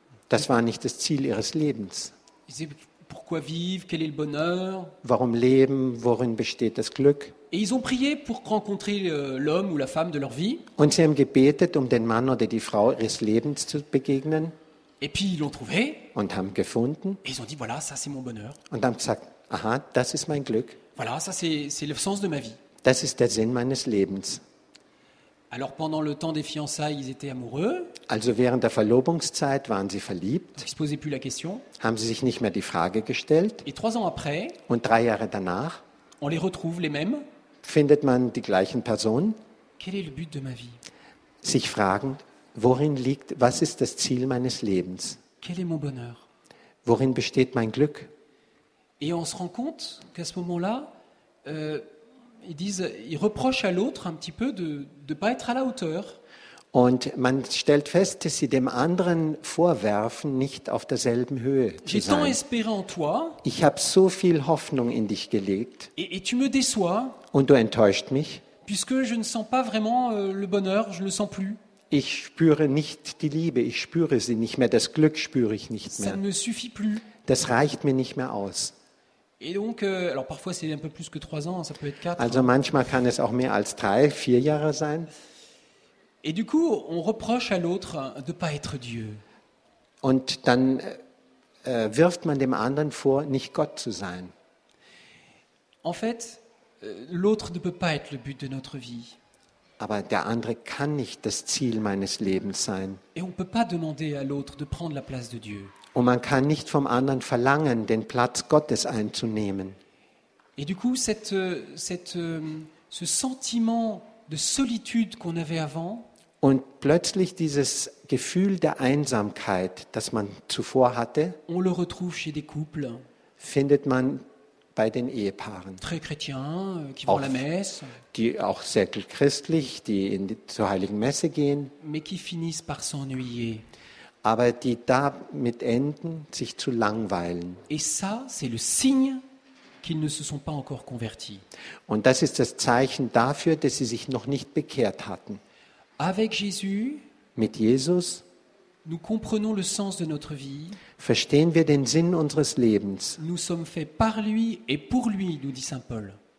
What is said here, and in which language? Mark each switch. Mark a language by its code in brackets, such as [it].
[de] Das war nicht das Ziel ihres Lebens. [fr] Pourquoi vivre? Quel est le bonheur? [de] Warum leben? Worin besteht das Glück? [fr] Et ils ont prié pour rencontrer l'homme ou la femme de leur vie. [de] Und sie haben gebetet, den Mann oder die Frau ihres Lebens zu begegnen. [fr] Et puis ils l'ont trouvé. [de] Und haben gefunden. [fr] Et ils ont dit voilà, ça c'est mon bonheur. [de] Und haben gesagt, aha, das ist mein Glück. [fr] Voilà, ça c'est le sens de ma vie. [de] Das ist der Sinn meines Lebens. [fr] Alors pendant le temps des fiançailles, ils étaient amoureux. [de] Also während der Verlobungszeit waren sie verliebt. [fr] Ils ne se posaient plus la question. [de] Haben sie sich nicht mehr die Frage gestellt. [fr] Et 3 ans après, [de] und 3 Jahre danach, [fr] on les retrouve les mêmes. [de] Findet man die gleichen Personen. [fr] Quel est le but de ma vie? [de] Sich fragend, worin liegt, was ist das Ziel meines Lebens? [fr] Quel est mon bonheur? [de] Worin besteht mein Glück? [fr] Et on se rend compte qu'à ce moment-là, ils reprochent à l'autre un petit peu de pas être à la hauteur. [de] Und man stellt fest, dass sie dem anderen vorwerfen, nicht auf derselben Höhe zu [fr] j'ai [de] sein. [fr] Tant espéré en toi, [de] ich habe so viel Hoffnung in dich gelegt. [fr] Et tu me déçois, [de] und du enttäuscht mich. [fr] Puisque je ne sens pas vraiment le bonheur, je le sens plus. [de] Ich spüre nicht die Liebe, ich spüre sie nicht mehr, das Glück spüre ich nicht mehr. [fr] Ça ne me suffit plus. [de] Das reicht mir nicht mehr aus. [fr] Et donc, alors parfois c'est un peu plus que 3 ans, ça peut être 4. [de] Also manchmal kann es auch mehr als 3-4 Jahre sein. [fr] Et du coup, on reproche à l'autre de pas être Dieu. [de] Und dann wirft man dem anderen vor, nicht Gott zu sein. [fr] En fait, l'autre ne peut pas être le but de notre vie. [de] Aber der andere kann nicht das Ziel meines Lebens sein. [fr] Et on peut pas demander à l'autre de prendre la place de Dieu. [de] Und man kann nicht vom anderen verlangen, den Platz Gottes einzunehmen. [fr] Et du coup, ce sentiment de solitude qu'on avait avant. [de] Und plötzlich dieses Gefühl der Einsamkeit, das man zuvor hatte. [fr] On le retrouve chez des couples. [de] Findet man bei den Ehepaaren. [fr] Très chrétiens, qui vont à la messe. [de] Die auch sehr christlich, die zur Heiligen Messe gehen. [fr] Mais qui finissent par s'ennuyer. [de] Aber die damit enden, sich zu langweilen. [fr] Et ça, c'est le signe qu'ils ne se sont pas encore convertis. [de] Und das ist das Zeichen dafür, dass sie sich noch nicht bekehrt hatten. [fr] Avec Jésus, [de] mit Jesus, [fr] nous comprenons le sens de notre vie. [de] Verstehen wir den Sinn unseres Lebens. [fr] Nous sommes faits par lui et pour lui, nous dit Saint Paul.